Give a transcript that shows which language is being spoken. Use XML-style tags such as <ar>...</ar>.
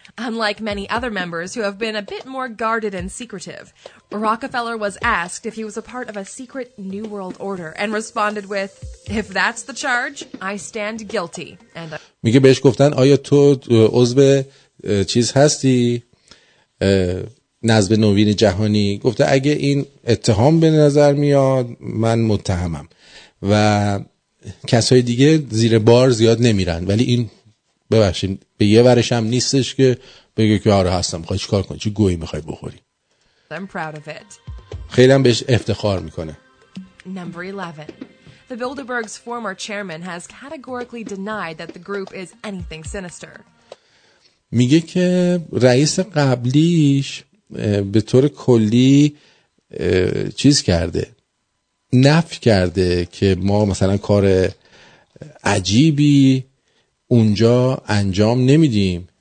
<en>Unlike many other members who have been a bit more guarded and secretive, Rockefeller was asked if he was a part of a secret New World Order and responded with, "If that's the charge, I stand guilty." And</en> <fa>میگه بهش گفتن آیا تو عضو چیز هستی؟ نظم نوین جهانی؟ گفته اگه این اتهام به نظر میاد من متهمم و کسای دیگه زیر بار زیاد نمیرن، ولی این ببخشید به یه ورش هم نیستش که بگه که آره هستم. خواهی چی کار کنی؟ چی گویی میخوای بخوری؟</fa> <en>I'm proud of it.</en> <fa>خیلی هم بهش افتخار میکنه.</fa> <en>Number 11. The Bilderberg's former chairman has categorically denied that the group is anything sinister.</en> <fa>میگه که رئیس قبلیش به طور کلی چیز کرده، نفی کرده که ما مثلا کار عجیبی اونجا انجام نمیدیم.</fa>